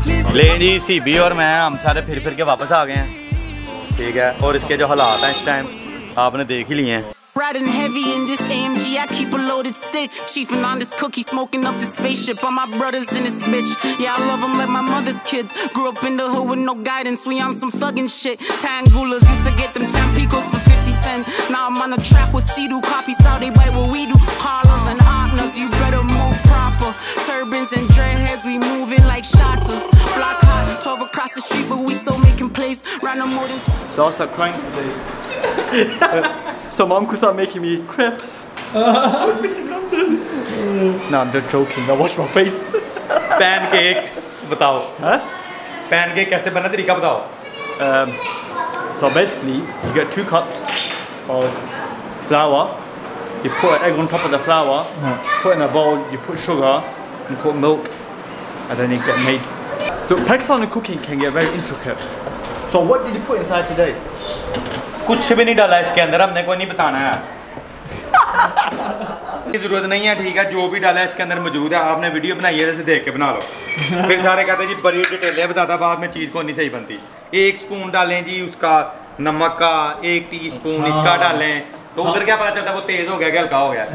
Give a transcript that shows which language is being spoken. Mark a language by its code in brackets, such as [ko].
[hi] ले जी सीबी और मैं हम सारे फिर फिर के वापस आ गए हैं, ठीक है? और इसके जो हालात हैं इस टाइम आपने देख ही लिए हैं. [en] Riding heavy in this AMG, I keep a loaded stick. Chiefing on this cookie, smoking up the spaceship. All my brothers in this bitch. Yeah, I love them like my mother's kids. Grew up in the hood with no guidance. We on some thuggin' shit. Tangulas used to get them Tampicos for 50 cents. Now I'm on a track with Cedu. Copy style, they bite what we do. Carlos and Agnes, you better move proper. Turbans and dreadheads, we moving like shotters. Block hot, 12 across the street, but we still making plays. Round more than. So I'll start crying today. So mom could start making me crepes. No, I'm just joking. Now wash my face. [hi] Pancake. Batao. Pancake kaise bana tarika batao. [en] So basically, you get 2 cups of flour. You put an egg on top of the flour. Put in a bowl, you put sugar, you put milk, and then you get made. Look, Pakistani cooking can get very intricate. So what did you put inside today? [hi] कुछ भी नहीं डाला इसके अंदर, हमने कोई नहीं बताना है. की जरूरत नहीं है, ठीक है, जो भी डाला है इसके अंदर मौजूद है, आपने वीडियो बनाई है देख के बना लो। फिर सारे कहते हैं जी बड़ी डिटेल है बताता, बाद में चीज़ को नहीं सही बनती। एक स्पून डालें जी उसका नमक का, एक टी स्पून इसका डालें, तो उधर क्या पता चलता वो तेज हो गया कि हल्का हो गया।